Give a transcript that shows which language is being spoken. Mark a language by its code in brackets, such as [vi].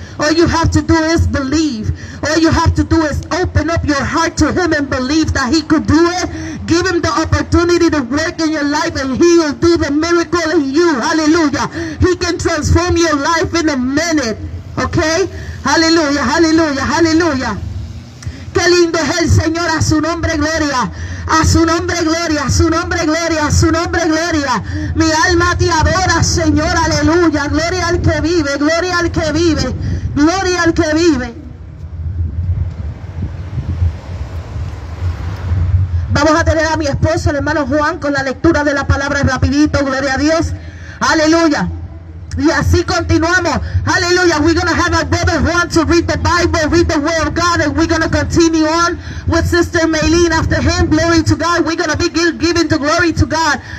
[en] All you have to do is believe. All you have to do is open up your heart to him and believe that he could do it. Give him the opportunity to work in your life and he will do the miracle in you. Hallelujah. He can transform your life in a minute. Okay? Hallelujah, hallelujah, hallelujah. [es] Qué lindo es el Señor, a su nombre gloria, a su nombre gloria, a su nombre gloria, a su nombre gloria. Mi alma te adora, Señor, aleluya. Gloria al que vive, gloria al que vive, gloria al que vive. Vamos a tener a mi esposo, el hermano Juan, con la lectura de la palabra rapidito, gloria a Dios, aleluya. Y así continuamos. Hallelujah. [en] We're going to have our brother Juan to read the Bible, read the word of God, and we're going to continue on with Sister Maylene after him. Glory to God. We're going to be giving the glory to God.